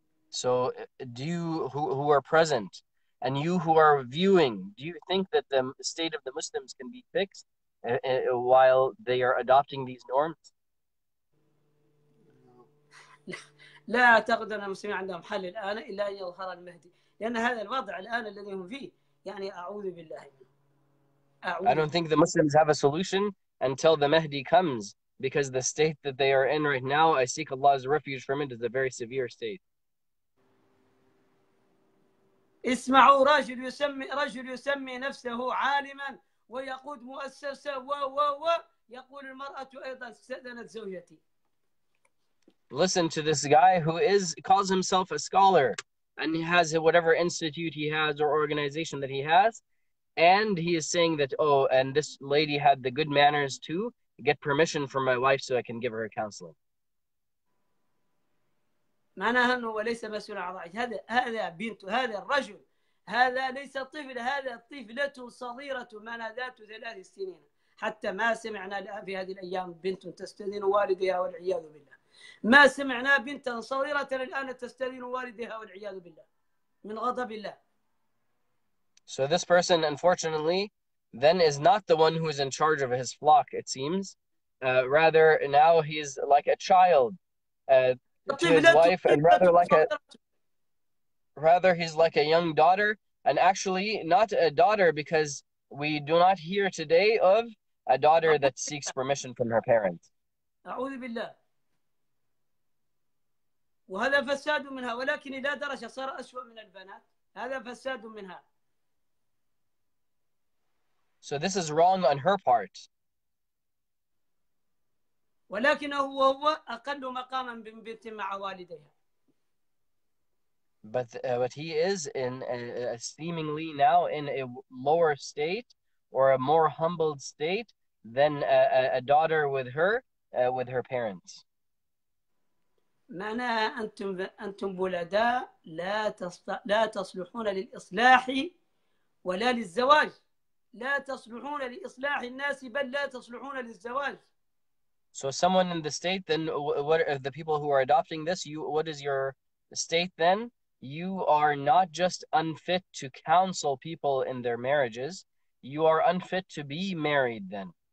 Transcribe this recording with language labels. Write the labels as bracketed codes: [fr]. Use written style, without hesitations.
[en] So do you who are present and you who are viewing, do you think that the state of the Muslims can be fixed while they are adopting these norms? [ar] لا اعتقد ان المسلمين عندهم حل الان الا ان يظهر المهدي لان هذا الوضع الان الذي هم فيه يعني اعوذ بالله [en] I don't think the Muslims have a solution until the Mahdi comes because the state that they are in right now I seek Allah's refuge from it is a very severe state. [ar] اسمعوا رجل يسمي نفسه عالما ويقود مؤسسة و يقول المرأة أيضا استأذنت زوجتي. [en] Listen to this guy who calls himself a scholar and he has whatever institute he has or organization that he has, and he is saying that, oh, and this lady had the good manners to get permission from my wife so I can give her counseling. [ar] معناها انه ليس مسؤول عن رأي هذا بنت هذا الرجل هذا ليس طفل هذا طفلة صغيرة معناها ذات 3 سنين حتى ما سمعنا في هذه الأيام بنت تستأذن والدها والعياذ بالله ما سمعنا بنت صغيرة الآن تستأذن والدها والعياذ بالله من غضب الله. [en] So this person unfortunately then is not the one who is in charge of his flock it seems. Rather now he is like a child. To his wife, and rather he's like a young daughter, and actually not a daughter, because we do not hear today of a daughter that seeks permission from her parents. [ar] أعوذ بالله. وهذا فساد منها ولكن إلى درجة صار أسوأ من البنات هذا فساد منها. [en] So this is wrong on her part. [ar] ولكنه هو أقل مقاما من بنت مع والديها. [en] But he is in a seemingly now in a lower state or a more humbled state than a daughter with her parents. [ar] معناها أنتم بلداء لا تصلحون للإصلاح ولا للزواج لا تصلحون لإصلاح الناس بل لا تصلحون للزواج. [en] So someone in the state, then what are the people who are adopting this? You, what is your state then? You are not just unfit to counsel people in their marriages. You are unfit to be married then.